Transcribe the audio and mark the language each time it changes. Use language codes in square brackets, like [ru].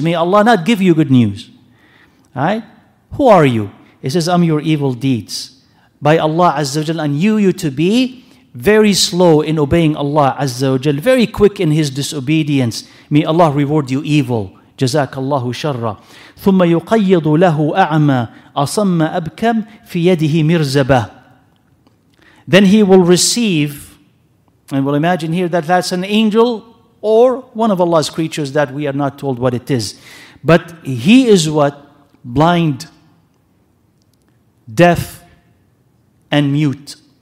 [en] May Allah not give you good news, right? Who are you? He says, I'm your evil deeds. By Allah Azza wa Jal, and you to be very slow in obeying Allah Azza wa Jal, very quick in his disobedience. May Allah reward you evil. [ar] Jazakallahu sharra. ثُمَّ يُقَيِّضُ لَهُ أَعْمَى أَصَمَّ أَبْكَمْ فِي يَدِهِ مِرْزَبَةً. [en] Then he will receive, and we'll imagine here that that's an angel or one of Allah's creatures that we are not told what it is. But he is what? Blind, deaf, and mute.